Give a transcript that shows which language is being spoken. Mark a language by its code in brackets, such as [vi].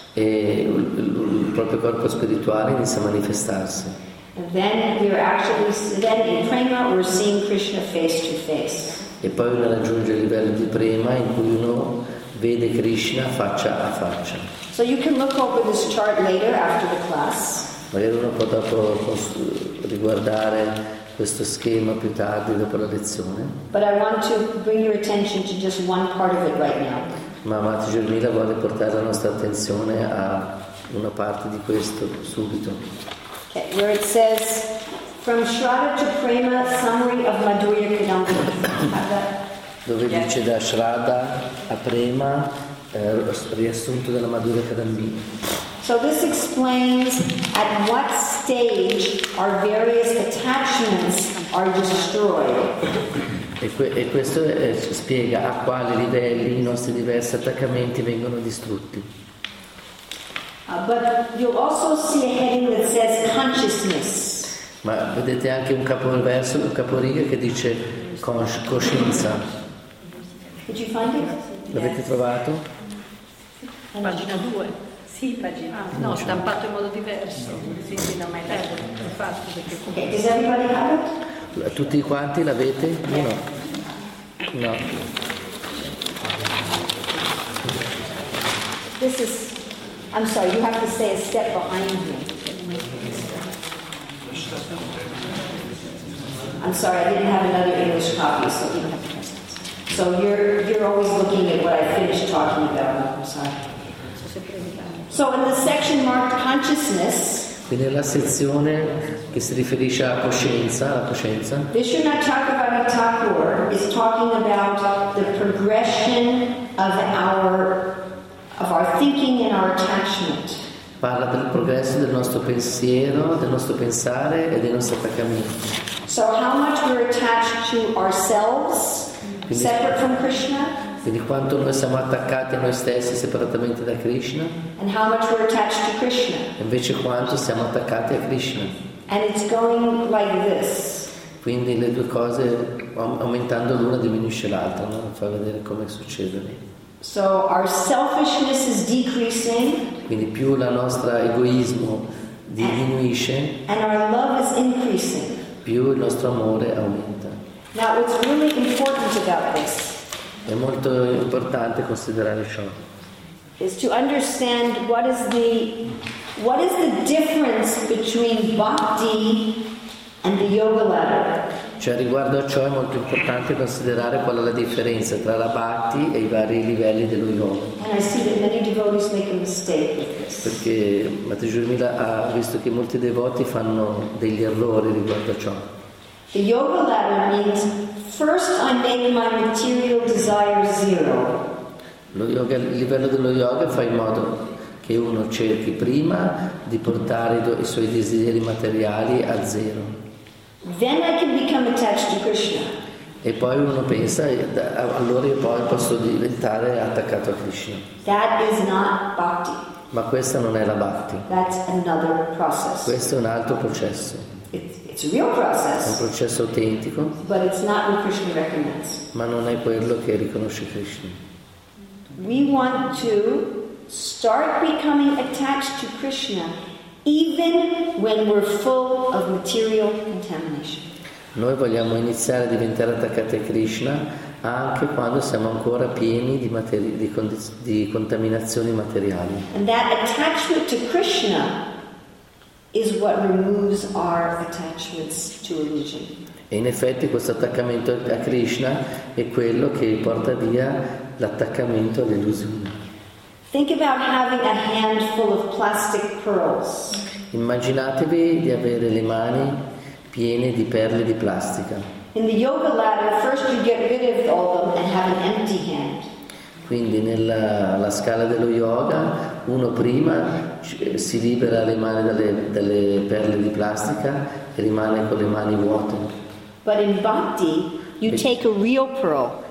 [it] E il proprio corpo spirituale inizia a manifestarsi. [en] Then in prema we're seeing Krishna face to face. [it] E poi uno raggiunge il livello di prema in cui uno vede Krishna faccia a faccia. [en] So you can look over this chart later after the class. [it] Magari uno può dopo riguardare questo schema più tardi dopo la lezione. [en] But I want to bring your attention to just one part of it right now. [it] Ma Mati Germila vuole portare la nostra attenzione a una parte di questo subito. [en] Okay, where it says from Shraddha to Prema, summary of Madhurya Kadamba. [it] Dove [en] yes. [it] Dice da Shraddha a Prema, riassunto della Madhurya Kadamba. [en] So this explains at what stage our various attachments are destroyed. [it] E questo spiega a quali livelli i nostri diversi attaccamenti vengono distrutti. [en] But you'll also see a heading that says consciousness. [it] Ma vedete anche un capoverso, un caporiga che dice coscienza. [en] Did you find it? [it] L'avete trovato? Pagina 2. Sì, pagina. No, stampato in modo diverso. Sì, non mai l'avevo. [en] Does everybody have it? [it] Tutti quanti l'avete? No. No. [en] This is. I'm sorry, you have to stay a step behind me. I'm sorry, I didn't have another English copy, so you have to. So you're always looking at what I finished talking about. I'm sorry. So in the section marked consciousness. [it] Quindi nella sezione che si riferisce alla coscienza, la coscienza. [en] Vishnu Chakravarti Thakur is talking about the progression of our thinking and our attachment. [it] Parla del progresso del nostro pensiero, del nostro pensare e dei nostri attaccamenti. [en] So how much we're attached to ourselves? Quindi, separate from Krishna. [it] Quindi quanto noi siamo attaccati a noi stessi separatamente da Krishna. [en] And how much we're attached to Krishna. [it] E invece quanto siamo attaccati a Krishna. [en] And it's going like this. [it] Quindi le due cose, aumentando l'una diminuisce l'altra, no? Fa vedere come succede. [en] So our selfishness is decreasing. [it] Quindi più la nostra egoismo diminuisce. [en] And our love is increasing. [it] Più il nostro amore aumenta. [en] Now it's really important about this. [it] È molto importante considerare ciò. [en] Is to understand what is the difference between bhakti and the yoga ladder. [it] Cioè riguardo a ciò è molto importante considerare qual è la differenza tra la bhakti e i vari livelli dello yoga. [en] And I see that many devotees make a mistake with this. [it] Perché Mata Jurmila ha visto che molti devoti fanno degli errori riguardo a ciò. [en] The yoga ladder means first I make my material desire zero. [it] Lo yoga, il livello dello yoga fa in modo che uno cerchi prima di portare i suoi desideri materiali a zero. [en] Then I can become attached to Krishna. [it] E poi uno pensa, allora io poi posso diventare attaccato a Krishna. [en] That is not bhakti. [it] Ma questa non è la bhakti. [en] That's another process. [it] Questo è un altro processo. [en] It's a real process, [it] un processo autentico, [en] but it's not what Krishna recommends. [it] Ma non è quello che riconosce Krishna. [en] We want to start becoming attached to Krishna even when we're full of material contamination. [it] Noi vogliamo iniziare a diventare attaccati a Krishna anche quando siamo ancora pieni di contaminazioni materiali. [en] And that attachment to Krishna is what removes our attachments to illusion. [it] E in effetti questo attaccamento a Krishna è quello che porta via l'attaccamento all'illusione. [en] Think about having a handful of plastic pearls. [it] Immaginatevi di avere le mani piene di perle di plastica. [en] In the yoga ladder, first you get rid of all them and have an empty hand. [it] Quindi nella scala dello yoga uno prima si libera le mani dalle perle di plastica e rimane con le mani vuote. [en] But in bhakti you take a real pearl.